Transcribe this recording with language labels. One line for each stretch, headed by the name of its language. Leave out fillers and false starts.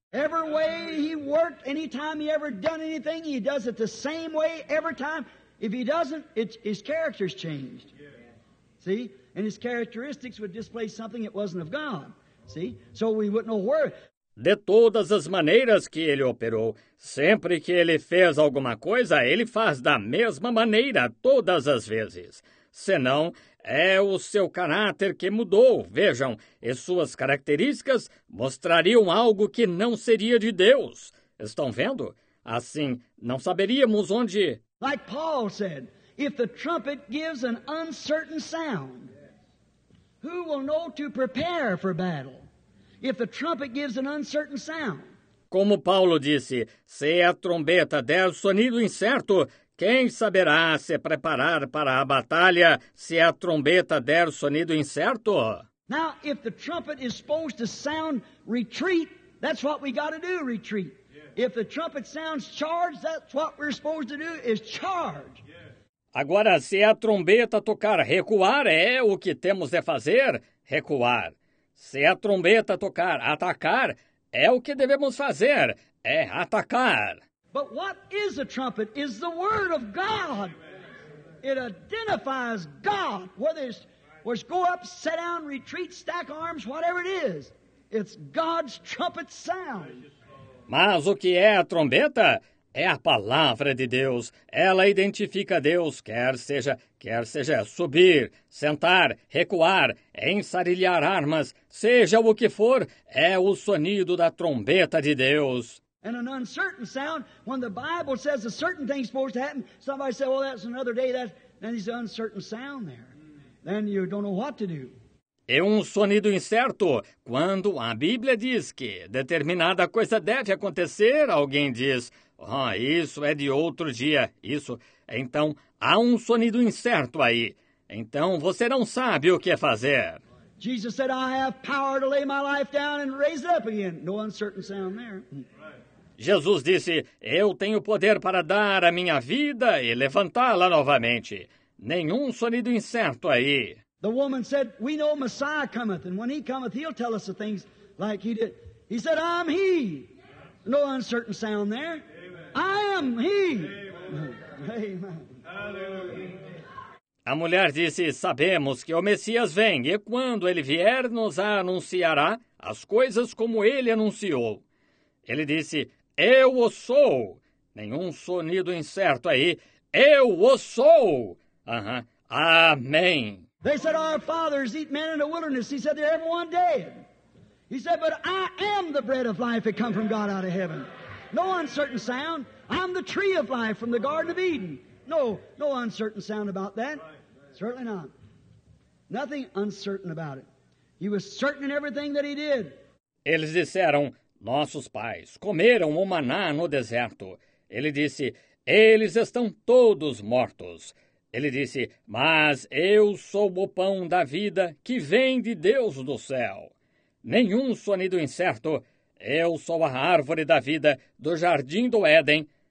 English: Every way he worked, any time he ever done anything, he does it the same way every time. If he doesn't, his character's changed. See? And his characteristics would display something that wasn't of God. See? So we wouldn't know where.
Portuguese: De todas as maneiras que ele operou, sempre que ele fez alguma coisa, ele faz da mesma maneira todas as vezes. Senão, é o seu caráter que mudou, vejam, e suas características mostrariam algo que não seria de Deus. Estão vendo? Assim, não saberíamos onde...
English: Like Paul said, if the trumpet gives an uncertain sound, who will know to prepare for battle? If the trumpet gives an uncertain sound.
Portuguese: Como Paulo disse, se a trombeta der sonido incerto, quem saberá se preparar para a batalha se a trombeta der sonido incerto?
English: Now, if the trumpet is supposed to sound retreat, that's what we got to do, retreat. Yeah. If the trumpet sounds charge, that's what we're supposed to do, is charge. Yeah.
Portuguese: Agora, se a trombeta tocar recuar, é o que temos de fazer, recuar. Se a trombeta tocar atacar, é o que devemos fazer, é atacar.
English: But what is a trumpet? Is the word of God. It identifies God. Whether it's go up, sit down, retreat, stack arms, whatever it is. It's God's trumpet sound.
Portuguese: Mas o que é a trombeta? É a palavra de Deus. Ela identifica Deus, quer seja subir, sentar, recuar, ensarilhar armas, seja o que for, é o sonido da trombeta de Deus.
English: And an uncertain sound, when the Bible says a certain thing's supposed to happen, somebody says, well, that's another day, then there's an uncertain sound there. Then you don't know what to do.
Portuguese: É um sonido incerto. Quando a Bíblia diz que determinada coisa deve acontecer, alguém diz, oh, isso é de outro dia, isso. Então, há um sonido incerto aí. Então, você não sabe o que fazer.
English: Jesus said, I have power to lay my life down and raise it up again. No uncertain sound there.
Portuguese: Jesus disse, eu tenho poder para dar a minha vida e levantá-la novamente. Nenhum sonido incerto aí.
English: The woman said, we know Messiah cometh, and when he cometh, he'll tell us the things like he did. He said, I'm he. No uncertain sound there. Amen. I am he. Amen.
Portuguese: A mulher disse, sabemos que o Messias vem, e quando ele vier, nos anunciará as coisas como ele anunciou. Ele disse, eu o sou. Nenhum sonido incerto aí. Eu o sou. Amém.
English: They said, our fathers eat men in the wilderness. He said, they're every one dead. He said, but I am the bread of life that come from God out of heaven. No uncertain sound. I'm the tree of life from the Garden of Eden. No uncertain sound about that. Certainly not. Nothing uncertain about it. He was certain in everything that he did.
Portuguese: Eles disseram, nossos pais comeram o maná no deserto. Ele disse, eles estão todos mortos. Ele disse, mas eu sou o pão da vida que vem de Deus do céu. Nenhum sonido incerto. Eu sou a árvore da vida do jardim do Éden.